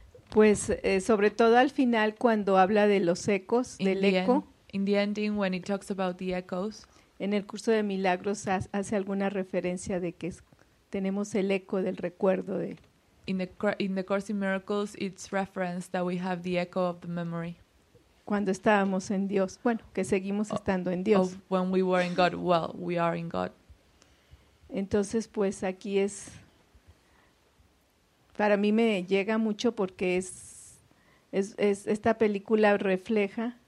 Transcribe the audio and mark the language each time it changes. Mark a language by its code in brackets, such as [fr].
[es] Pues sobre todo al final cuando habla de los ecos, [en] in [es] del eco. [en] In the ending when he talks about the echoes. [es] En el curso de milagros hace alguna referencia de que tenemos el eco del recuerdo de. [en] In the course in miracles, it's referenced that we have the echo of the memory. [es] Cuando estábamos en Dios, bueno, que seguimos estando en Dios. [en] When we were in God, well, we are in God. [es] Entonces, pues aquí es, para mí me llega mucho porque es esta película refleja.